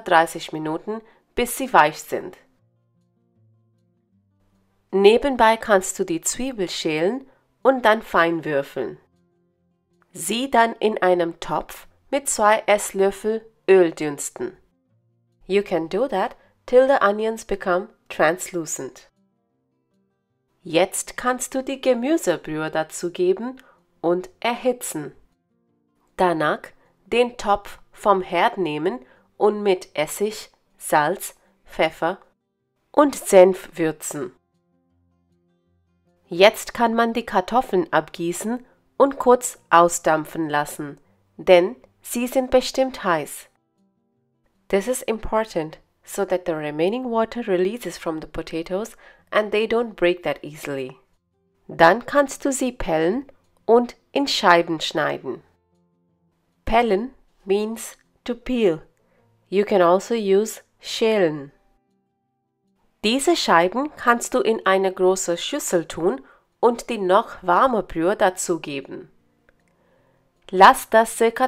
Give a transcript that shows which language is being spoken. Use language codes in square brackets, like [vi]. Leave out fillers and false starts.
[de] 30 Minuten, bis sie weich sind. Nebenbei kannst du die Zwiebel schälen und dann fein würfeln. Sieh dann in einem Topf mit 2 Esslöffel Öl dünsten. [en] You can do that till the onions become translucent. [de] Jetzt kannst du die Gemüsebrühe dazugeben und erhitzen. Danach den Topf vom Herd nehmen und mit Essig, Salz, Pfeffer und Senf würzen. Jetzt kann man die Kartoffeln abgießen und kurz ausdampfen lassen, denn sie sind bestimmt heiß. [en] This is important, so that the remaining water releases from the potatoes and they don't break that easily. [de] Dann kannst du sie pellen und in Scheiben schneiden. [en] Pellen means to peel. You can also use schälen. [de] Diese Scheiben kannst du in eine große Schüssel tun und die noch warme Brühe dazugeben. Lass das ca.